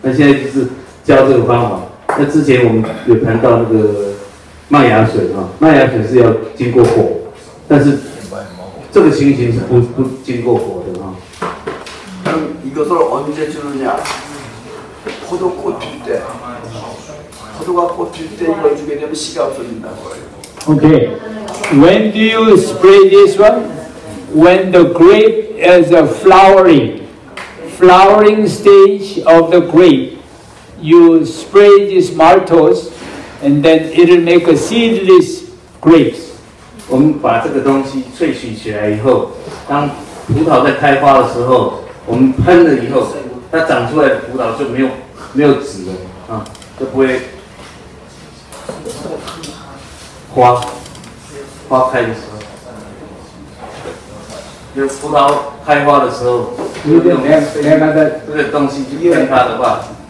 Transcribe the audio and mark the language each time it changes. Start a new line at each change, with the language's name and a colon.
Chinese: 现在很多小孩子都喜欢吃那个无籽的果实，这样无籽葡萄啊，无籽什么柑橘啊，那现在就是这个东西就是可以那个让它让这些作物变成没有籽的这个，被这个物质，只要喷上去，这些果实的种子都会消失。那现在就是教这个方法。那之前我们有谈到那个麦芽水，麦芽水是要经过火，但是这个情形是不经过火的，那么，
Korean: 이것을 언제 주느냐? 포도 꽃필 때. 포도가 꽃필 때 이걸 주게 되면 씨가 없어진다고.
English: Okay. When do you spray this one? When the grape is a flowering. Flowering stage of the grape. You spray these tomatoes, and then it'll make a seedless grapes.
Chinese: 我们把这个东西萃取起来以后，当葡萄在开花的时候，我们喷了以后，它长出来的葡萄就没有籽了，就不会花开的时候，就葡萄开花的时候，没有那个东西去喷它的话。